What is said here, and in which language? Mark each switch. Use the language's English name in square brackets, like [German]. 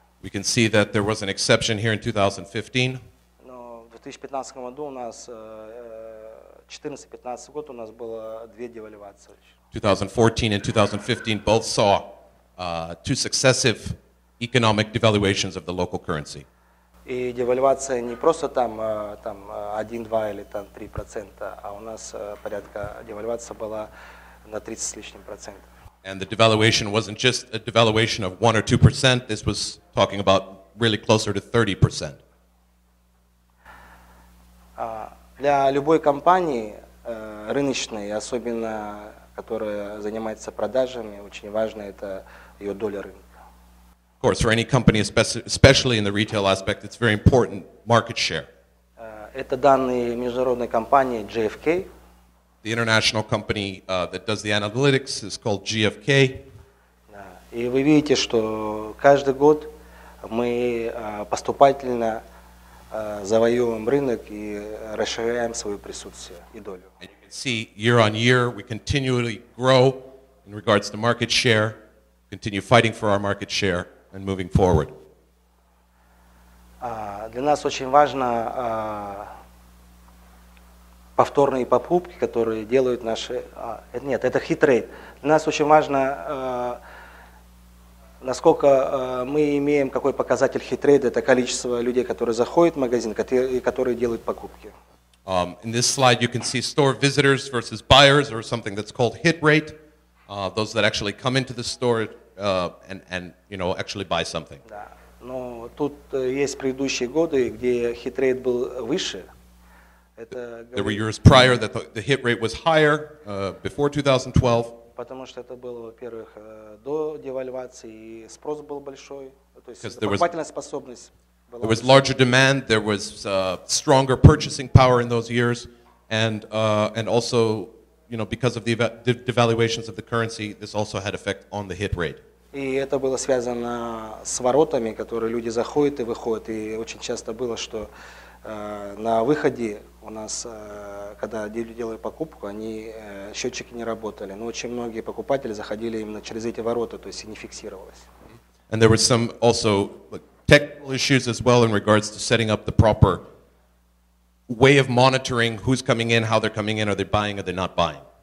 [English] We can see that there was an exception here in 2015. [Russian] В 2015 году у нас 14-15 год у нас было две девальвации. [English] 2014 and 2015 both saw two successive economic devaluations of the local currency. [Russian] И девальвация не просто там 1-2 или там 3%, а у нас порядка девальвация была на 30 с лишним процентов. [English] And the devaluation wasn't just a devaluation of 1 or 2%, this was talking about really closer to 30%. [Russian] Для любой компании рыночной, особенно которая занимается продажами, очень важно это ее доля рынка. [English] Of course, for any company, especially in the retail aspect, it's very important market share. [Russian] Это данные международной компании GfK. [English] The international company that does the analytics is called GfK. [Russian] И вы видите, что каждый год мы поступательно завоевываем рынок и расширяем свое присутствие и долю. [English] And you can see year on year we continually grow in regards to market share, continue fighting for our market share and moving forward. [Russian] Для нас очень важно повторные покупки, которые делают наши... нет, это хит-рейт. Для нас очень важно насколько мы имеем, какой показатель хит-рейт, это количество людей, которые заходят в магазин и которые делают покупки. [English] In this slide you can see store visitors versus buyers or something that's called hit rate. Those that actually come into the store and you know, actually buy something. [Russian] Да. Но тут есть предыдущие годы, где hit rate был выше. [English] There were years prior that the hit rate was higher before 2012. [Russian] Потому что это было, во-первых, до девальвации, и спрос был большой. То есть покупательная способность была выше. [English] There was larger demand, there was stronger purchasing power in those years, and also, you know, because of the devaluations of the currency, this also had effect on the hit rate. [Russian] И это было связано с воротами, которые люди заходят и выходят. И очень часто было, что на выходе у нас, когда люди делали покупку, они счетчики не работали. Но очень многие покупатели заходили именно через эти ворота, то есть не фиксировалось. [English] And there were some also technical issues as well in regards to setting up the proper way of monitoring who's coming in, how they're coming in, are they buying, are they not buying.